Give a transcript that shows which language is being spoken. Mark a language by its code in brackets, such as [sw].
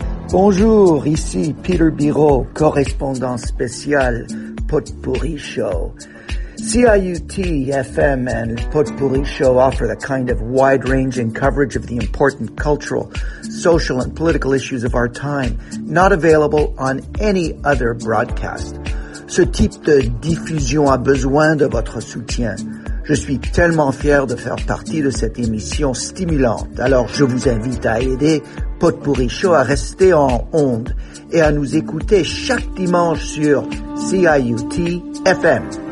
[fr] Bonjour, ici Peter Biraud, correspondant spécial Potpourri Show. [en] CIUT FM and Potpourri Show offer a kind of wide-ranging coverage of the important cultural, social, and political issues of our time, not available on any other broadcast. [fr] Ce type de diffusion a besoin de votre soutien. Je suis tellement fier de faire partie de cette émission stimulante, alors je vous invite à aider Potpourri Show à rester en onde et à nous écouter chaque dimanche sur CIUT FM.